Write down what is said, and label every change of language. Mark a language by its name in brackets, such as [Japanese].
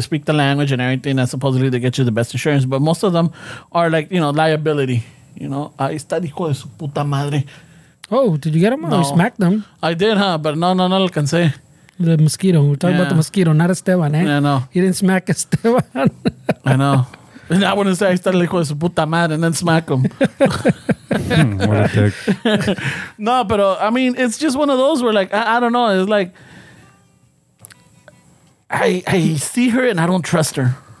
[English] They speak the language and everything, and supposedly they get you the best insurance. But most of them are like, you know, liability. You know, [Spanish] ahí está el hijo de su puta madre. [English] Oh, did you get him? No. Or smacked them? I did, huh? But [Spanish] no alcancé. [English] The mosquito. We're talking about the mosquito, not Esteban, eh? I know. He didn't smack Esteban. I know. And I wouldn't say, [Spanish] ahí está el hijo de su puta madre, [English] and then smack him. What a dick. [Spanish] No, pero, [English] I mean, it's just one of those where, like, I don't know. It's like, I see her and I don't trust her.